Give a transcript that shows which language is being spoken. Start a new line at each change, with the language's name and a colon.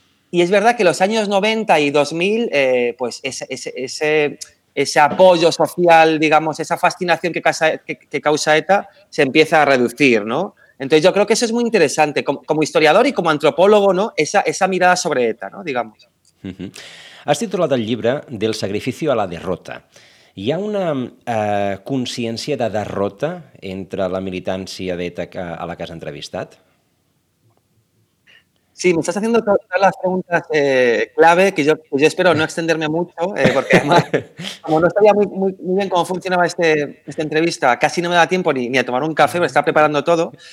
Spanish: Y es verdad que los años 90 y 2000, pues ese apoyo social, digamos, esa fascinación que causa ETA, se empieza a reducir, ¿no? Entonces yo creo que eso es muy interesante, como historiador y como antropólogo, ¿no?, esa mirada sobre ETA, ¿no?, digamos.
Catalan: Uh-huh. Has titulat el llibre Del sacrificio a la derrota. Hi ha una consciència de derrota entre la militància d'ETA a la que has entrevistat?
Spanish: Sí, me estás haciendo todas las preguntas clave, que yo espero no extenderme mucho, porque además, como no sabía muy bien cómo funcionaba esta entrevista, casi no me da tiempo ni a tomar un café, porque estaba preparando todo.